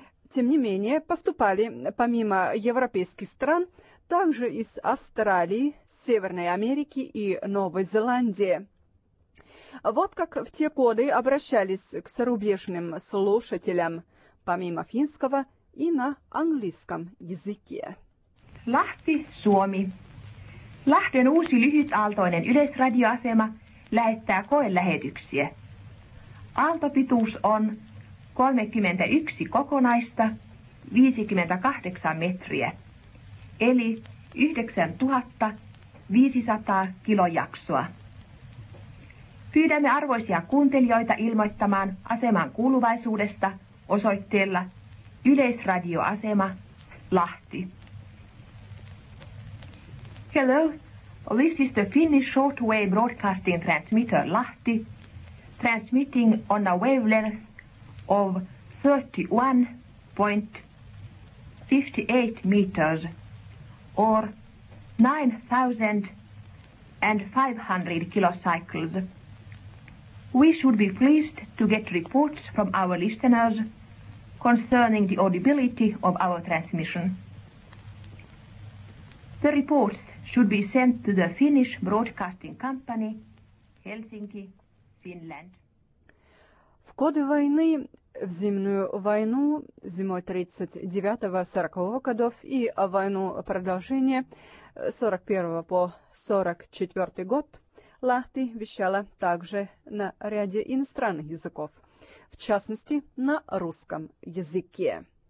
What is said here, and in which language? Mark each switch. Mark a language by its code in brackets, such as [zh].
[ru] тем не менее, поступали, помимо европейских стран, также из Австралии, Северной Америки и Новой Зеландии. Вот как в те годы обращались к зарубежным слушателям, помимо финского и на английском языке. [fi] Lahti, Suomi. Lahden uusi lyhytaaltoinen yleisradioasema lähettää koelähetyksiä. Aaltopituus on 31 kokonaista 58 metriä, eli 9500 kilojaksoa. Pyydämme arvoisia kuuntelijoita ilmoittamaan aseman kuuluvaisuudesta osoitteella Yleisradioasema Lahti. [en] Hello, this is the Finnish shortwave broadcasting transmitter Lahti, transmitting on a wavelength of 31.58 meters or 9,500 kilocycles. We should be pleased to get reports from our listeners concerning the audibility of our transmission. The reports should be sent to the Finnish Broadcasting Company, Helsinki, Finland. [ru] В годы войны, в Зимнюю войну зимой 39-40 годов и войну продолжения 41 по 44 год Лахти вещала также на ряде иностранных языков, в частности, на русском языке.